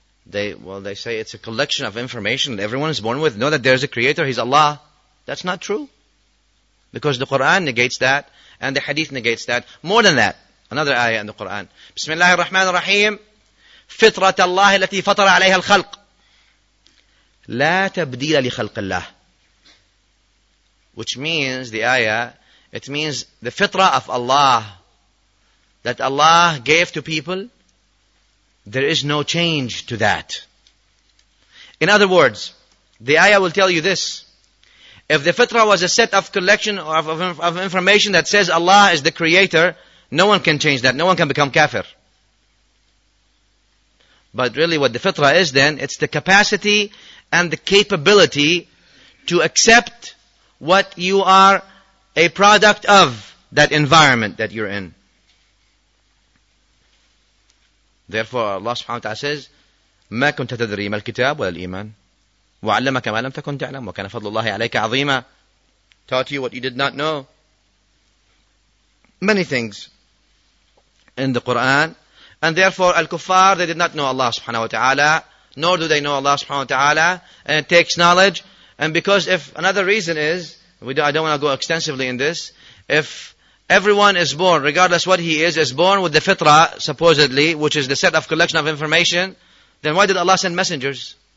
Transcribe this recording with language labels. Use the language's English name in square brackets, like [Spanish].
[English] They say it's a collection of information that everyone is born with. Know that there's a creator, he's Allah. That's not true. Because the Quran negates that, and the hadith negates that. More than that, another ayah in the Quran. [Arabic] Bismillah ar-Rahman ar-Rahim. Fitrat Allah التي فطر عليها الخلق. لا تبديل لخلق الله. [English] Which means, the ayah, it means the fitra of Allah, that Allah gave to people, there is no change to that. In other words, the ayah will tell you this. If the fitrah was a set of collection of information that says Allah is the creator, no one can change that. No one can become kafir. But really what the fitrah is then, it's the capacity and the capability to accept what you are a product of that environment that you're in. Therefore, Allah subhanahu wa ta'ala says, [Arabic] مَا كُنْتَ تَدْرِي مَا الْكِتَابُ وَلَا الْإِيمَانِ وَعَلَّمَكَ مَا لَمْ تَكُنْ تَعْلَمُ وَكَانَ فَضْلُ اللَّهِ عَلَيْكَ عَظِيمًا. [English] Taught you what you did not know. Many things in the Quran. And therefore, al-kuffar, they did not know Allah subhanahu wa ta'ala, nor do they know Allah subhanahu wa ta'ala, and it takes knowledge. And because if another reason is, I don't want to go extensively in this, if everyone is born, regardless what he is born with the fitra, supposedly, which is the set of collection of information, then why did Allah send messengers?